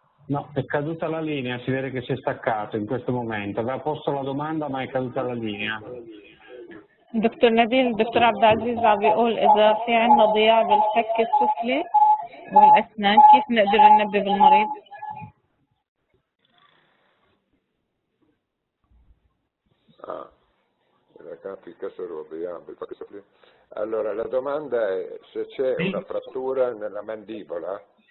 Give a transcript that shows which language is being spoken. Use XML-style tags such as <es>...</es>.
<it>No, è caduta la linea, si vede che si è staccato in questo momento. Aveva posto la domanda ma è caduta la linea.</it> <ar>دكتور نبيل، دكتور عبد العزيز عم بيقول اذا في عندنا ضياع بالفك السفلي والاسنان كيف نقدر ننبه بالمريض؟ اذا كان في كسر وضياع بالفك السفلي.</ar> <it>Allora la domanda è se c'è una frattura nella mandibola.</it>